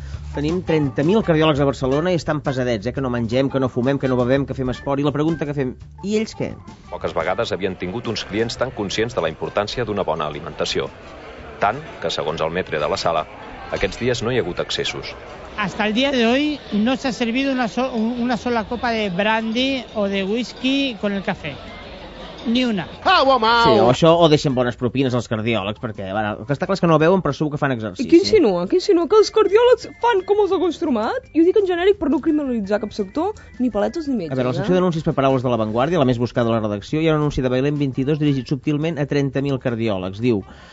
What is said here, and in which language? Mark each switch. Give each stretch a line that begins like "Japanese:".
Catalan: Tenim 30.000 cardiòlegs a Barcelona i estan pesadets, que no mengem, que no fumem, que no bevem, que fem esport, i la pregunta que fem, i ells què? Poques vegades havien tingut uns clients tan conscients de la importància d'una bona alimentació. Tant que, segons el metre de la sala, aquests dies no hi ha hagut excessos.
Spanish: Hasta el día de hoy no se ha servido una sola copa de brandy o de whisky con el café. Ni una. Au, au, au.
Catalan: Sí, o això, o deixen bones propines als cardiòlegs, perquè, a veure, està clar que no veuen, però segur que fan exercici. I qui insinua? Qui insinua que els cardiòlegs fan com els ha construït? I ho dic en genèric per no criminalitzar cap sector, ni paletes ni metges. A veure, la secció d'anuncis per paraules de La Vanguardia, la més buscada de la redacció, hi ha un anunci de Bailem 22 dirigit subtilment a 30.000 cardiòlegs. Diu...